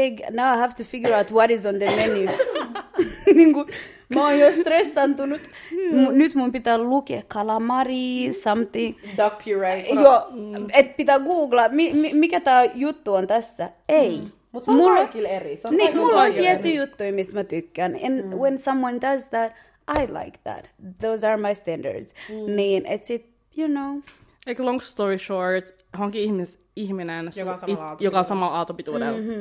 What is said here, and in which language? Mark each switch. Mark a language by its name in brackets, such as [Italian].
[English] Now I have to figure out what is on the menu. [Finnish] Niin kuin, mä oon jo stressantunut. Nyt mun pitää lukea kalamari, something. [English] Duck puree. No. [Finnish] Joo, että pitää googlaa, mikä tää juttu on tässä. Ei. Mutta se on mulla kaikille eri. Se on niin, mulla on tietty juttu, mistä mä tykkään. [English] And when someone does that, I like that. Those are my standards. [Finnish] Niin, et sit, [English] you know. Like long story short, [Finnish] hankin ihminen, joka on samalla aatopituudella.